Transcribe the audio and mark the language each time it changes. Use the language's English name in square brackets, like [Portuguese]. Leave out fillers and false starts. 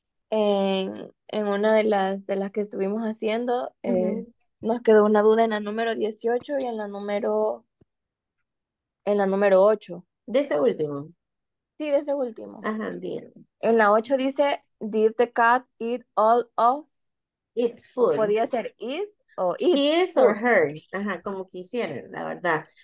[Spanish] En una de las que estuvimos haciendo, nos quedó una duda en la número 18 y en la número 8. ¿De ese último? Sí, de ese último. Ajá, bien. En la 8 dice, [English] did the cat eat all of its food? [Spanish] Podía ser is o [English] it. His or her, [Spanish] ajá, como quisieran, la verdad.